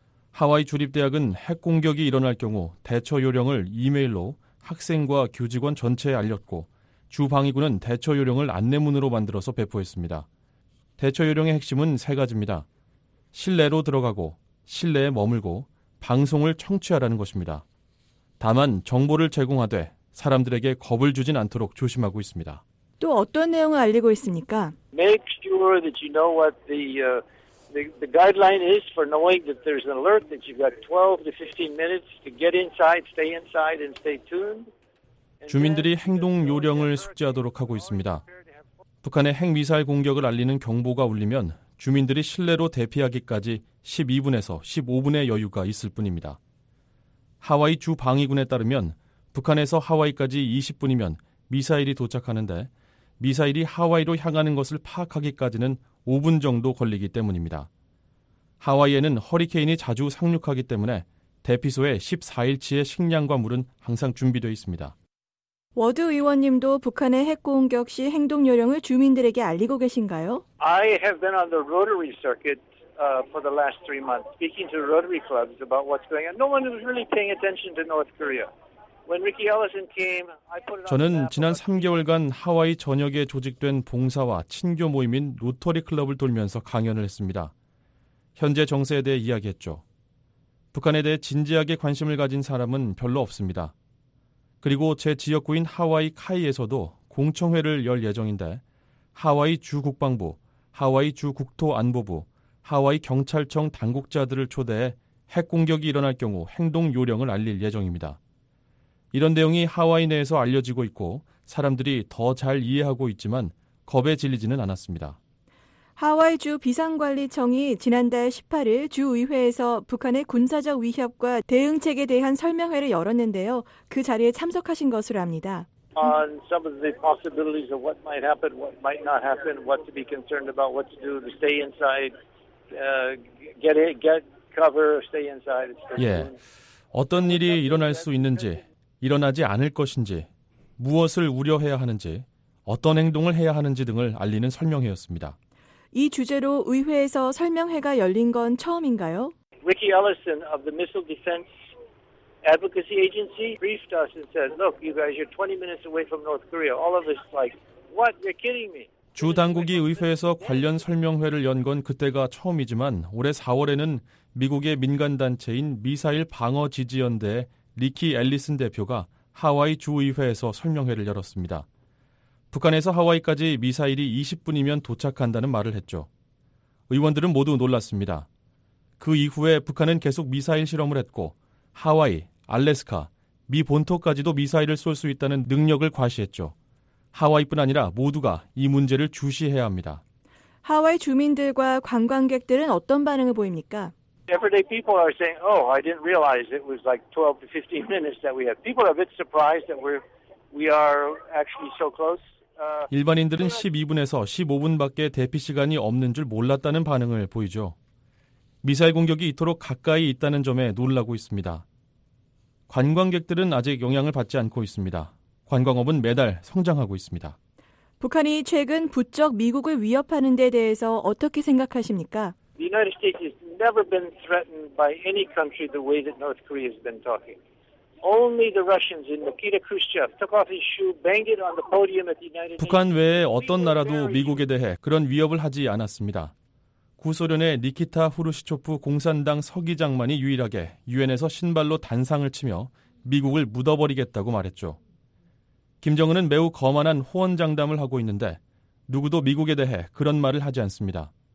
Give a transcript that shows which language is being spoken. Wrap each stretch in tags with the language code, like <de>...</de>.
<ko>하와이 주립대학은 핵 공격이 일어날 경우 대처 요령을 이메일로 학생과 교직원 전체에 알렸고 주방위군은 대처 요령을 안내문으로 만들어서 배포했습니다. 대처 요령의 핵심은 세 가지입니다. 실내로 들어가고 실내에 머물고 방송을 청취하라는 것입니다. 다만 정보를 제공하되 사람들에게 겁을 주진 않도록 조심하고 있습니다. 또 어떤 내용을 알리고 있습니까?</ko> <en>Make sure that you know what the guideline is for knowing that there's an alert that you've got 12 to 15 minutes to get inside, stay inside and stay tuned.</en> <ko>주민들이 행동 요령을 숙지하도록 하고 있습니다. 북한의 핵 미사일 공격을 알리는 경보가 울리면 주민들이 실내로 대피하기까지 12분에서 15분의 여유가 있을 뿐입니다. 하와이 주 방위군에 따르면 북한에서 하와이까지 20분이면 미사일이 도착하는데 미사일이 하와이로 향하는 것을 파악하기까지는 5분 정도 걸리기 때문입니다. 하와이에는 허리케인이 자주 상륙하기 때문에 대피소에 14일치의 식량과 물은 항상 준비되어 있습니다. 워드 의원님도 북한의 핵 공격 시 행동 요령을 주민들에게 알리고 계신가요?</ko> <en>I have been on the Rotary circuit for the last 3 months speaking to Rotary clubs about what's going on. No one was really paying attention to North Korea.</en> <ko>저는 지난 3개월간 하와이 전역에 조직된 봉사와 친교 모임인 로터리 클럽을 돌면서 강연을 했습니다. 현재 정세에 대해 이야기했죠. 북한에 대해 진지하게 관심을 가진 사람은 별로 없습니다. 그리고 제 지역구인 하와이 카이에서도 공청회를 열 예정인데 하와이 주국방부, 하와이 주국토안보부, 하와이 경찰청 당국자들을 초대해 핵공격이 일어날 경우 행동 요령을 알릴 예정입니다. 이런 내용이 하와이 내에서 알려지고 있고 사람들이 더 잘 이해하고 있지만 겁에 질리지는 않았습니다. 하와이주 비상관리청이 지난달 18일 주의회에서 북한의 군사적 위협과 대응책에 대한 설명회를 열었는데요. 그 자리에 참석하신 것으로 합니다.</ko> <en>On some of the possibilities of what might happen, what might not happen, what to be concerned about, what to do to stay inside, get cover, stay inside.</en> <ko>예, 어떤 일이 일어날 수 있는지, 일어나지 않을 것인지, 무엇을 우려해야 하는지, 어떤 행동을 해야 하는지 등을 알리는 설명회였습니다. 이 주제로 의회에서 설명회가 열린 건 처음인가요?</ko> <en>Ricky Ellison of the Missile Defense Advocacy Agency briefed us and said, "Look, you guys, you're 20 minutes away from North Korea. All of this, like, what? You're kidding me."</en> <ko>주 당국이 의회에서 관련 설명회를 연 건 그때가 처음이지만 올해 4월에는 미국의 민간 단체인 미사일 방어 지지연대 리키 앨리슨 대표가 하와이 주 의회에서 설명회를 열었습니다. 북한에서 하와이까지 미사일이 20분이면 도착한다는 말을 했죠. 의원들은 모두 놀랐습니다. 그 이후에 북한은 계속 미사일 실험을 했고 하와이, 알래스카, 미 본토까지도 미사일을 쏠 수 있다는 능력을 과시했죠. 하와이뿐 아니라 모두가 이 문제를 주시해야 합니다. 하와이 주민들과 관광객들은 어떤 반응을 보입니까?</ko> <en>Everyday people are saying, "Oh, I didn't realize it was like 12 to 15 minutes that we had." People are a bit surprised that we are actually so close.</en> <ko>일반인들은 12분에서 15분밖에 대피 시간이 없는 줄 몰랐다는 반응을 보이죠. 미사일 공격이 이토록 가까이 있다는 점에 놀라고 있습니다. 관광객들은 아직 영향을 받지 않고 있습니다. 관광업은 매달 성장하고 있습니다. 북한이 최근 부쩍 미국을 위협하는 데 대해서 어떻게 생각하십니까?</ko> <en>The United States has never been threatened by any country the way that North Korea has been talking. Only the Russians in Nikita Khrushchev took off his shoe, banged it on the podium at the United States.</en> <ko>북한 외에 어떤 나라도 미국에 대해 그런 위협을 하지 않았습니다. 구소련의 니키타 후르시초프 공산당 서기장만이 유일하게 유엔에서 신발로 단상을 치며 미국을 묻어버리겠다고 말했죠. 김정은은 매우 거만한 호언장담을 하고 있는데 누구도 미국에 대해 그런 말을 하지 않습니다.</ko>